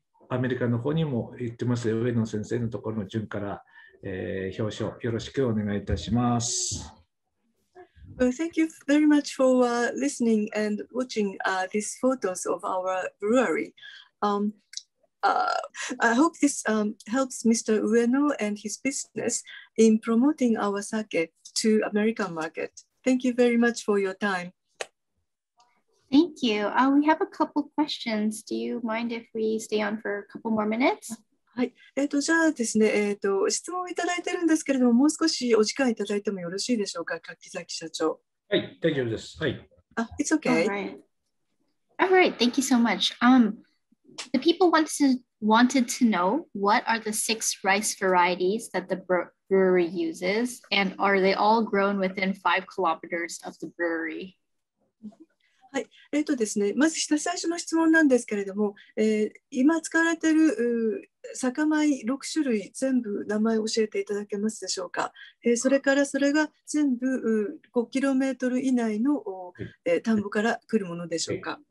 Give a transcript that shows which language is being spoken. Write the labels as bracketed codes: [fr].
[ja] アメリカの方にも言ってますよ、上野先生のところの順から、表彰よろしくお願いいたします。 [en] Well, thank you very much for listening and watching these photos of our brewery. I hope this helps Mr. Ueno and his business in promoting our sake to American market. Thank you very much for your time. Thank you. We have a couple questions. Do you mind if we stay on for a couple more minutes? [ja] はい。じゃあですね、質問をいただいてるんですけれども、もう少しお時間いただいてもよろしいでしょうか、柿崎社長。はい、大丈夫です。はい。 [en] It's okay. All right. Thank you so much. The people wanted to know what are the six rice varieties that the brewery uses, and are they all grown within 5 kilometers of the brewery? [ja] はい、ですね、まず最初の質問なんですけれども、今使われている酒米6種類全部名前を教えていただけますでしょうか、それからそれが全部5キロメートル以内の田んぼから来るものでしょうか。